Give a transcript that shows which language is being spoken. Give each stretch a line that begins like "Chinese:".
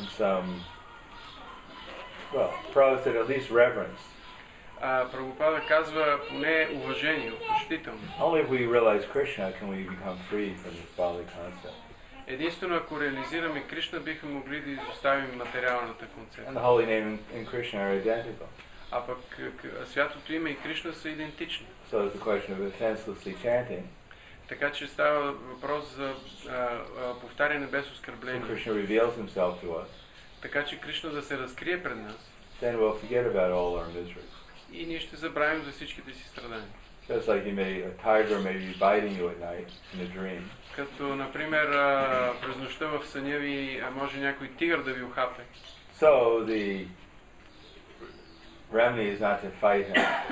English: And some, well, Prabhupada said at least reverence.
Bulgarian: Прабхупада казва поне уважение, почтително.
English: Only if we realize Krishna can we become free from this bodily concept.
Bulgarian: Единствено ако реализираме Кришна, бихме могли да изоставим материалната концепция.
English: And the holy name and Krishna are identical.
Bulgarian: А пък святото име и Кришна са идентични.
English: So it's a question of senselessly chanting.
Bulgarian: Така че става въпрос за повтаряне без оскърбление.
English: So Krishna reveals himself to us.
Bulgarian: Така че Кришна да се разкрие пред нас.
English: Then we'll forget about all our misery.
Bulgarian: И ние ще забравим за всичките си страдания.
English: Just like you may, a tiger may be biting you at night in a dream.
Bulgarian: Като, например, през нощта в съня ви може някой тигър да ви ухапе.
English: So the remedy is not to fight him.